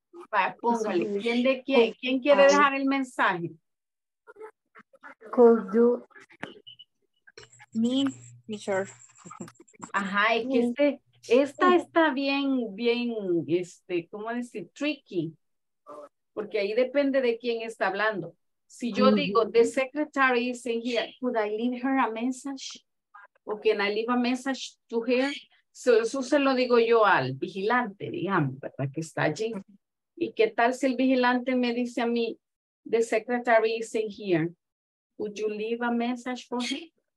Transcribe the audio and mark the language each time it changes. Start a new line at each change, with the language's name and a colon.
Spanish: Vaya, póngale. ¿Quién de quién? ¿Quién quiere dejar el mensaje?
English: Could you... Me, teacher.
Spanish: Ajá, es que este, esta está bien, este, ¿cómo decir? Tricky. Porque ahí depende de quién está hablando. Si yo digo,
English: the secretary is in here, could I leave her a message? ¿O can I leave a message to her?
Spanish: So, eso se lo digo yo al vigilante, digamos, ¿verdad? Que está allí. ¿Y qué tal si el vigilante me dice a mí,
English: the secretary is in here? Would you leave a message for her?